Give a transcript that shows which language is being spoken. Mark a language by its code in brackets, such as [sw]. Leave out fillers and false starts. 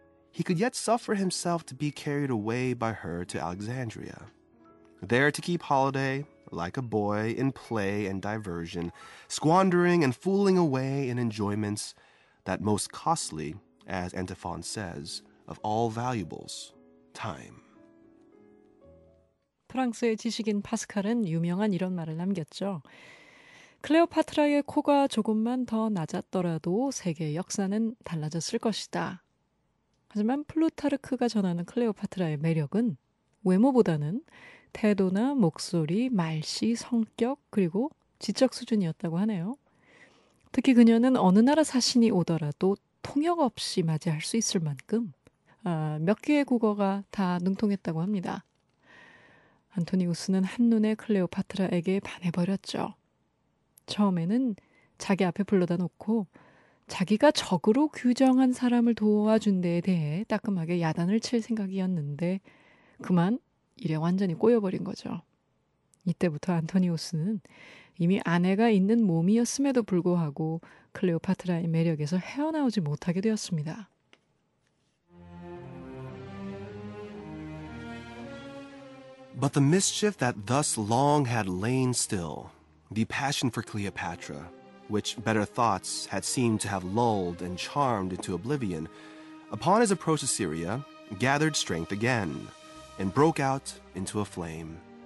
[en] he could yet suffer himself to be carried away by her to Alexandria, there to keep holiday, like a boy, in play and diversion, squandering and fooling away in enjoyments that most costly, as Antiphon says, of all valuables, time. [ko] 프랑스의 지식인 파스칼은 유명한 이런 말을 남겼죠. 클레오파트라의 코가 조금만 더 낮았더라도 세계의 역사는 달라졌을 것이다. 하지만 플루타르크가 전하는 클레오파트라의 매력은 외모보다는 태도나 목소리, 말씨, 성격, 그리고 지적 수준이었다고 하네요. 특히 그녀는 어느 나라 사신이 오더라도 통역 없이 맞이할 수 있을 만큼 몇 개의 국어가 다 능통했다고 합니다. 안토니우스는 한눈에 클레오파트라에게 반해버렸죠. 처음에는 자기 앞에 불러다 놓고 자기가 적으로 규정한 사람을 도와준 데에 대해 따끔하게 야단을 칠 생각이었는데 그만 일에 완전히 꼬여버린 거죠. 이때부터 안토니우스는 이미 아내가 있는 몸이었음에도 불구하고 클레오파트라의 매력에서 헤어나오지 못하게 되었습니다. [en] 'But the mischief that thus long had lain still, the passion for Cleopatra, which better thoughts had seemed to have lulled and charmed into oblivion, upon his approach to Syria, gathered strength again, and broke out into a flame.